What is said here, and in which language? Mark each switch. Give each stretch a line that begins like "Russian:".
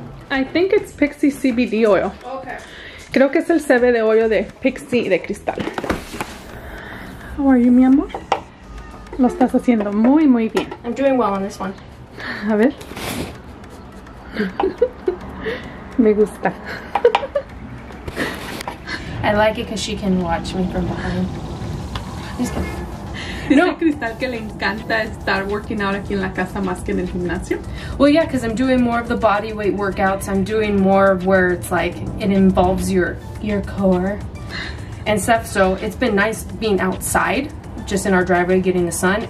English: I think it's Pixie CBD oil.
Spanish: Creo que es el CBD de hoyo de Pixie de cristal.
English: How are you,
Spanish: mi amor? Lo estás haciendo muy, muy bien.
English: I'm doing well on this one.
Spanish: A ver. Me gusta.
English: I like it because she can watch me from behind. No.
Spanish: Dice Cristal que le encanta estar
English: working out
Spanish: aquí en la casa más que en el gimnasio.
English: Well, yeah, because I'm doing more of the body weight workouts. I'm doing more where it's like it involves your core and stuff. So it's been nice being outside, just in our driveway, getting the sun.